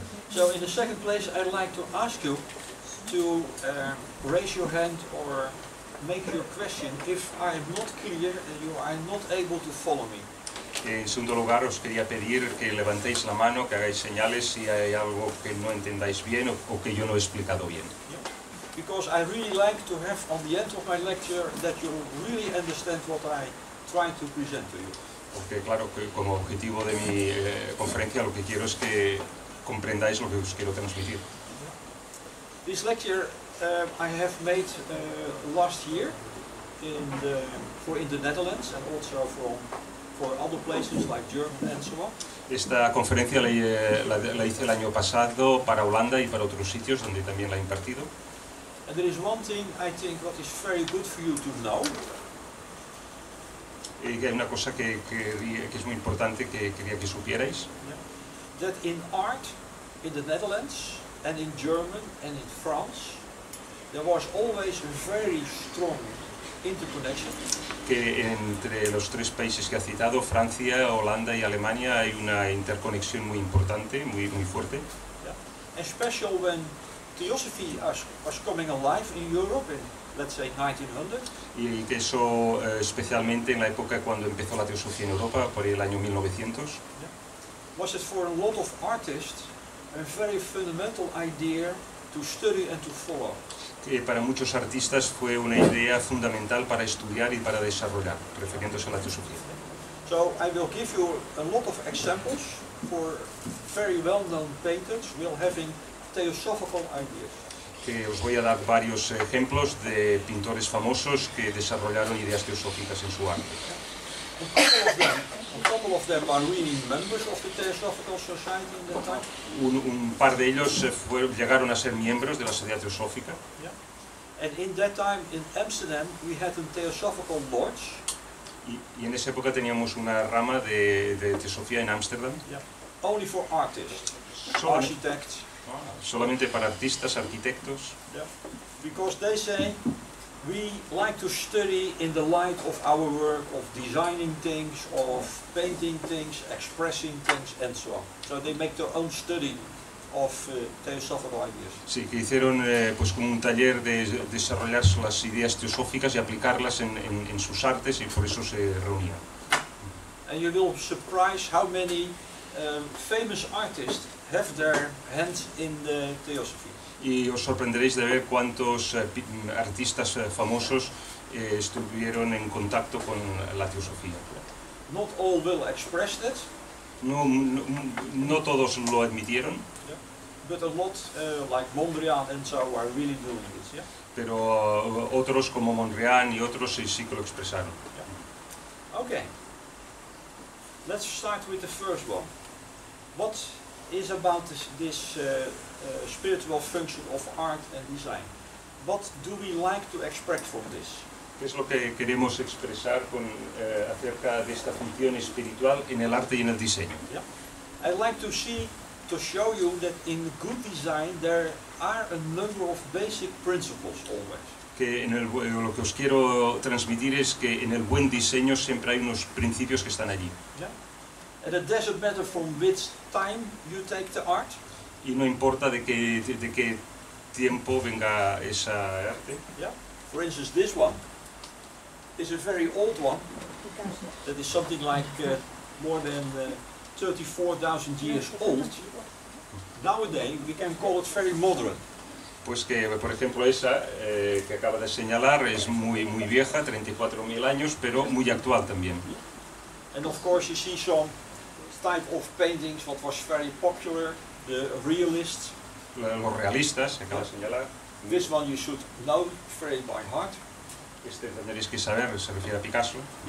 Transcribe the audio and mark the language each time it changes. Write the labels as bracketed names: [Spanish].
[English] So in the second place, I'd like to ask you to raise your hand or make your question if I am not clear and you are not able to follow me. [Spanish] En segundo lugar, os quería pedir que levantéis la mano, que hagáis señales si hay algo que no entendáis bien o que yo no he explicado bien. [English] Because I really like to have on the end of my lecture that you really understand what I try to present to you. [Spanish] Porque claro que como objetivo de mi conferencia lo que quiero es que comprendáis lo que os quiero transmitir. [English] This lecture I have made last year in the Netherlands and also for other places like Germany and so on. [Spanish] Esta conferencia la hice el año pasado para Holanda y para otros sitios donde también la he impartido. [English] And there is one thing I think what is very good for you to know. [Spanish] Y hay una cosa que es muy importante que quería que supierais. [English] That in art, in the Netherlands, and in German, and in France, there was always a very strong interconnection. [Spanish] Que entre los tres países que ha citado, Francia, Holanda y Alemania, hay una interconexión muy importante, muy muy fuerte. [English] Especially when Theosophy was coming alive in Europe in, let's say, 1900. [Spanish] Y que eso especialmente en la época cuando empezó la teosofía en Europa, por el año 1900. [English] Was it for a lot of artists a very fundamental idea to study and to follow? [Spanish] Que para muchos artistas fue una idea fundamental para estudiar y para desarrollar, refiriéndose a la teosofía. [English] So I will give you a lot of examples for very well-known painters while having theosophical ideas. [Spanish] Que os voy a dar varios ejemplos de pintores famosos que desarrollaron ideas teosóficas en su arte. [English] A couple of them are really members of the Theosophical Society in that time. [Spanish] Un par de ellos llegaron a ser miembros de la Sociedad Teosófica. [English] Yeah. And in that time in Amsterdam we had a Theosophical Lodge. [Spanish] Y en esa época teníamos una rama de teosofía en Amsterdam. [English] Yeah. Only for artists, architects. [Spanish] Solamente para artistas, arquitectos. [English] Yeah. Because they say we like to study in the light of our work, of designing things, of painting things, expressing things, and so on. So they make their own study of theosophical ideas. [Spanish] Sí, que hicieron pues como un taller de desarrollar las ideas teosóficas y aplicarlas en sus artes y por eso se reunían. [English] And you will surprise how many famous artists have their hands in the theosophy. [Spanish] Y os sorprenderéis de ver cuántos artistas famosos estuvieron en contacto con la teosofía. [English] Not all will express that. [Spanish] No todos lo admitieron. [English] Yeah. But a lot, like Mondrian and so, are really doing this. Yeah? [Spanish] Pero otros como Mondrian y otros sí que lo expresaron. [English] Yeah. Okay. Let's start with the first one. What is about this spiritual function of art and design? What do we like to expect from this? [Spanish] ¿Qué es lo que queremos expresar con acerca de esta función espiritual en el arte y en el diseño? [English] Yeah. I'd like to see to show you that in good design there are a number of basic principles always. [Spanish] Que en el, lo que os quiero transmitir es que en el buen diseño siempre hay unos principios que están allí. [English] Yeah. And it doesn't matter from which time you take the art. [Spanish] Y no importa de qué tiempo venga esa arte. [English] Yeah. For instance, this one is a very old one. That is something like more than 34,000 years old. Nowadays we can call it very modern. [Spanish] Pues que por ejemplo esa que acaba de señalar es muy vieja, 34,000 años, pero muy actual también. [English] And of course you see some type of paintings what was very popular, the realists. [Spanish] Los realistas, se acaba de señalar. [English] This one you should know very by heart. [Spanish] Este tendréis que saber, se refiere a Picasso.